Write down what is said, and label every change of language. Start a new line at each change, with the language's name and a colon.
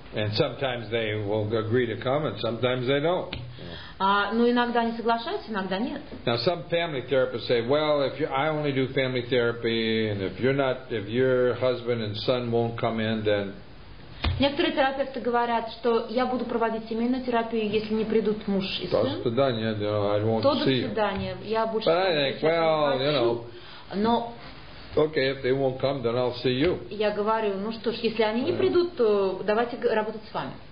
English: And sometimes they will agree to come and sometimes they don't.
Russian: Иногда они соглашаются, иногда нет.
English: Now some family therapists say, well, I only do family therapy, and if your husband and son won't come in, then.
Russian: Некоторые терапевты говорят, что я буду проводить семейную терапию, если не придут муж и сын. До свидания,
English: I won't see.
Russian: До свидания, я больше не встречусь.
English: But I think, well,
Russian: Но.
English: Okay, if they won't come, then I'll see you.
Russian: Я говорю, ну что ж, если они не придут, то давайте работать с вами.